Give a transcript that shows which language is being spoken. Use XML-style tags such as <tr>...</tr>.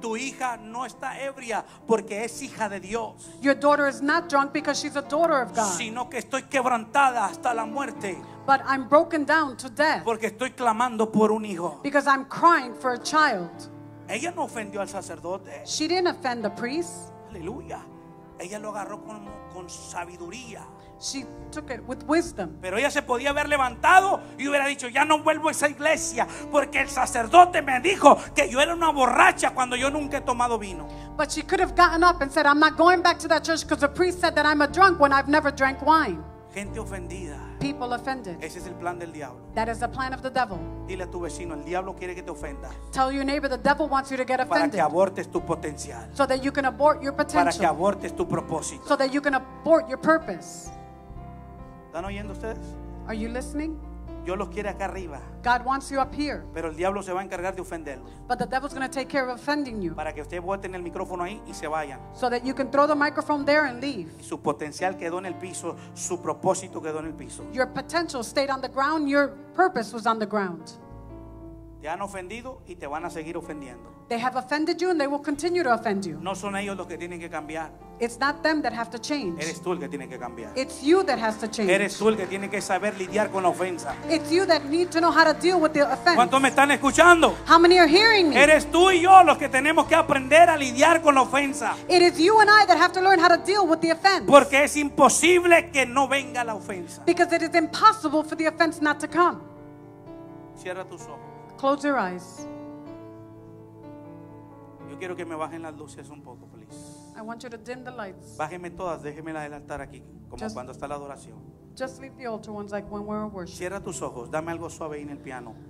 <es>Tu hija no está ebria porque es hija de Dios.</es> <en>Your daughter is not drunk because she's a daughter of God.</en> <es>Sino que estoy quebrantada hasta la muerte.</es> <en>But I'm broken down to death.</en> <es>Porque estoy clamando por un hijo.</es> <en>Because I'm crying for a child.</en> <es>Ella no ofendió al sacerdote.</es> <en>She didn't offend the priest.</en> <es>Aleluya. Ella lo agarró con sabiduría.</es> <en>She took it with wisdom.</en> <es>Pero ella se podía haber levantado y hubiera dicho, ya no vuelvo a esa iglesia porque el sacerdote me dijo que yo era una borracha cuando yo nunca he tomado vino.</es> <en>But she could have gotten up and said, I'm not going back to that church because the priest said that I'm a drunk when I've never drank wine.</en> <es>Gente ofendida.</es> <en>People offended.</en> <es>Ese es el plan del diablo.</es> <en>That is the plan of the devil.</en> <es>Dile a tu vecino, el diablo quiere que te ofenda.</es> <en>Tell your neighbor, the devil wants you to get offended.</en> <es>Para que abortes tu potencial.</es> <en>So that you can abort your potential.</en> <es>Para que abortes tu propósito.</es> <en>So that you can abort your purpose.</en> <es>¿Están oyendo ustedes?</es> <en>Are you listening?</en> <es>Dios los quiere acá arriba.</es> <en>God wants you up here.</en> <es>Pero el diablo se va a encargar de ofenderlos.</es> <en>But the devil's going to take care of offending you.</en> <es>Para que ustedes boten el micrófono ahí y se vayan.</es> <en>So that you can throw the microphone there and leave.</en> <es>Su potencial quedó en el piso, su propósito quedó en el piso.</es> <en>Your potential stayed on the ground, your purpose was on the ground.</en> <es>Te han ofendido y te van a seguir ofendiendo.</es> <en>They have offended you and they will continue to offend you.</en> <es>No son ellos los que tienen que cambiar.</es> <en>It's not them that have to change.</en> <es>Eres tú el que tiene que cambiar.</es> <en>It's you that has to change.</en> <es>Eres tú el que tiene que saber lidiar con la ofensa.</es> <en>It's you that need to know how to deal with the offense.</en> <es>¿Cuántos me están escuchando?</es> <en>How many are hearing me?</en> <es>Eres tú y yo los que tenemos que aprender a lidiar con la ofensa.</es> <en>It is you and I that have to learn how to deal with the offense.</en> <es>Porque es imposible que no venga la ofensa.</es> <en>Because it is impossible for the offense not to come.</en> <es>Cierra tus ojos.</es> <en>Close your eyes.</en> <es>Yo quiero que me bajen las luces un poco, please.</es> <en>I want you to dim the lights.</en> <es>Bájenme todas, déjenme las del altar aquí, como just, cuando está la adoración.</es> <en>Just leave the altar ones like when we're worshiping.</en> <es>Cierra tus ojos, dame algo suave ahí en el piano.</es>